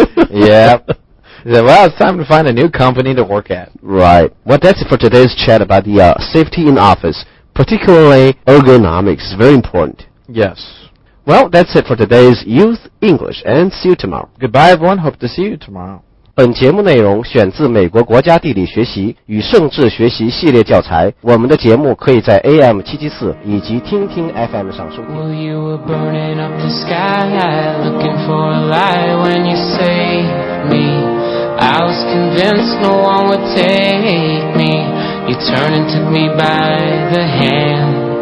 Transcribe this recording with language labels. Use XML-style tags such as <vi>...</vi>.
<en>Yep. He said, well, it's time to find a new company to work at. Right. Well, that's it for today's chat about the safety in office. Particularly ergonomics is very important. Yes. Well, that's it for today's Youth English, and see you tomorrow. Goodbye, everyone. Hope to see you tomorrow.</en> <zh>本节目内容选自美国国家地理学习与政治学习系列教材。我们的节目可以在 AM 774以及听听 FM 上收听。</zh> <en>Well, you were burning up the sky, looking for a light when you saved me. I was convinced no one would take me. You turned and took me by the hand.</en>